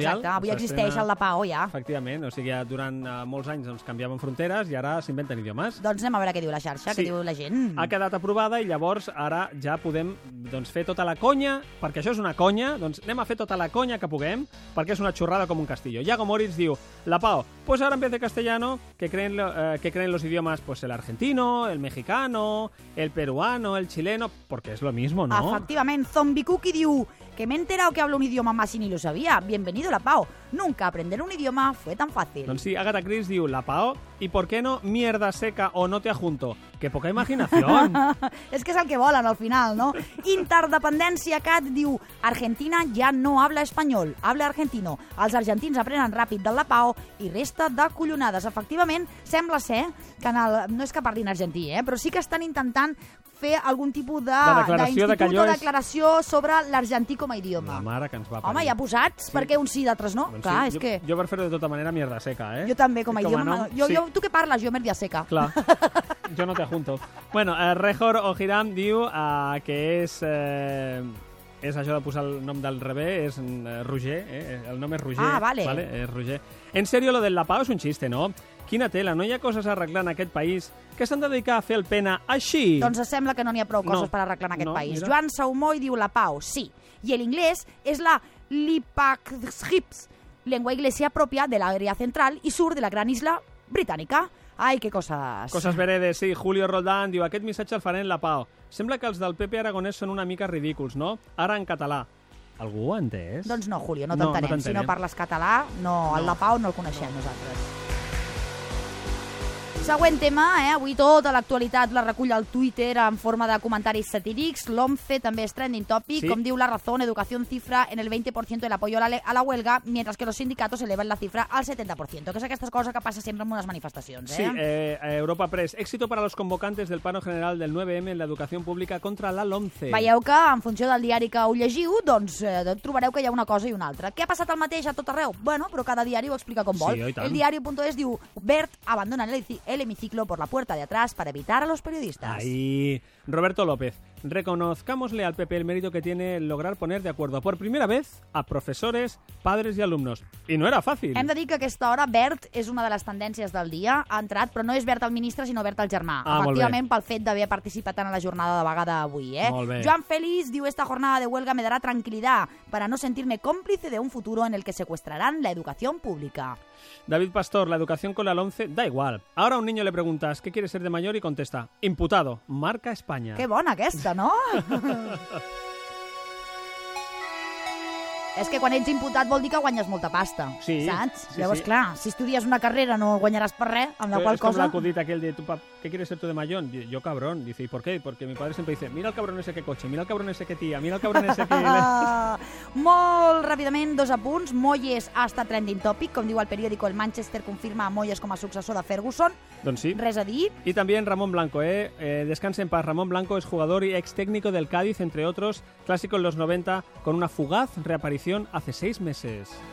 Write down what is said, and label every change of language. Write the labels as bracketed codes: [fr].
[ca] Exacte, avui existeix el de Pau, ja. Efectivament, o sigui, durant molts anys canviaven fronteres i ara s'inventen idiomes. Doncs anem a veure què diu la xarxa, sí, què diu la gent. Ha quedat aprovada i llavors ara ja podem fer tota la conya, perquè això és una conya, doncs anem a fer tota la conya que puguem, perquè és una xurrada com un castillo. [es] Iago Moritz diu: la Pau, pues ahora en vez de castellano, que creen los idiomas, pues el argentino, el mexicano, el peruano, el chileno, porque es lo mismo, ¿no? Efectivament, Zombie Cookie diu: que m'he enterado que hablo un idioma más si ni lo sabía. Bienvenido, la Pau. Nunca aprender un idioma fue tan fácil. [ca] Doncs sí, [es] Agatha Chris diu: la Pau, ¿y por qué no mierda seca o no te ajunto? Que poca imaginación. [ca] És que és el que volen al final, no? Interdependència Cat diu: Argentina ja no [es] habla espanyol, habla argentino. [ca] Els argentins aprenen ràpid de la Pau i resta de collonades. Efectivament, sembla ser que en el... no és que parlin argentí, però sí que estan intentant fer algun tipus de declaració sobre l'argentí com a idioma. La mare que ens va parir. Home, ja posats, sí, perquè uns sí i d'altres no. Doncs clar, sí, és que... Jo per fer-ho de tota manera, mierda seca, eh? Jo també, com a idioma. No? Jo, tu què parles? Jo, mierda seca. Clar, jo no te junto. Bueno, Rejor Ojiram diu que és... és això de posar el nom del rebé, és Roger, el nom és Roger. Ah, vale. Vale, és Roger. En serio, lo del La Pau és un chiste, no? Quina tela, no hi ha coses a arreglar en aquest país que s'han de dedicar a fer el pena així? Doncs sembla que no n'hi ha prou coses per arreglar en aquest país. Mira. Joan Saumó hi diu la pau, sí. I en anglès és la Lipaxhips, llengua iglesia pròpia de l'Àrea Central i sur de la gran isla britànica. Ai, que coses... Coses veredes, sí. Julio Roldán diu, aquest missatge el farem la pau. Sembla que els del PP aragonès són una mica ridículs, no? Ara en català. Algú ho ha entès? Doncs no, Julio, no t'entenem. No, no, si no parles català, no, no. El La Pau no el coneixem nosaltres. Següent tema, avui tota l'actualitat la recull al Twitter en forma de comentaris satírics. L'OMCE també és trending topic. Sí. Com diu [es] La Razón, Educación cifra en el 20% del apoyo a la huelga, mientras que los sindicatos eleven la cifra al 70%, [ca] que és aquesta cosa que passa sempre en unes manifestacions. [es] Sí, Europa Press. Éxito para los convocantes del paro general del 9M en la educación pública contra la LOMCE. [ca] Veieu que, en funció del diari que ho llegiu, doncs trobareu que hi ha una cosa i una altra. Què ha passat el mateix a tot arreu? Bueno, però cada diari ho explica com vol. Sí, [es] el diario.es diu, Bert abandona el hemiciclo por la puerta de atrás para evitar a los periodistas. Ahí, Roberto López, reconozcámosle al PP el mérito que tiene lograr poner de acuerdo por primera vez a profesores, padres y alumnos. Y no era fácil. [ca] Hem de dir que aquesta hora Bert és una de les tendències del dia. Ha entrat, però no és Bert el ministre, sinó Bert el germà. Ah, efectivament, pel fet d'haver participat en la jornada de vaga d'avui. [es] Joan Félix diu, esta jornada de huelga me dará tranquilidad para no sentirme cómplice de un futuro en el que secuestrarán la educación pública. David Pastor, la educación con la LOMCE da igual. Ahora a un niño le preguntas qué quiere ser de mayor y contesta, imputado, marca España. [ca] Qué bona aquesta, ¿no? És que quan ets imputat vol dir que guanyes molta pasta, sí, saps? Sí, llavors, sí. Clar, si estudies una carrera no guanyaràs per res, amb la qual cosa... És com l'acudit aquell de tu, [es] ¿qué quieres ser tú de mayor? Yo cabrón. Dice, ¿y por qué? Porque mi padre siempre dice, mira el cabrón ese que coche, mira el cabrón ese que tía, mira el cabrón ese que... [ca] Molt ràpidament, dos apunts. Moyes ha estat trending topic, com diu el periòdico El Manchester, confirma a Moyes com a successor de Ferguson. Doncs sí. Res a dir. I també Ramon Blanco, [es] descansa en paz. Ramon Blanco [ca] és jugador i [es] ex-técnico del Cádiz, entre otros, clàssico en los 90, con una fugaz reaparición hace 6 meses.